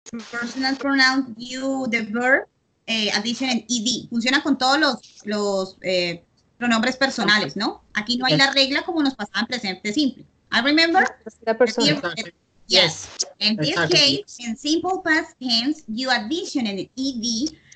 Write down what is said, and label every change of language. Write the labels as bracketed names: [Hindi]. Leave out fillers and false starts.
[English] personal pronoun you, the verb, addition and ed. [Spanish] Funciona con todos los pronombres personales, ¿no? Aquí no hay la regla como nos pasaba en presente simple. [English] I remember. [Spanish] La persona. [English] Yes. In this case, in simple past tense, you addition an ed.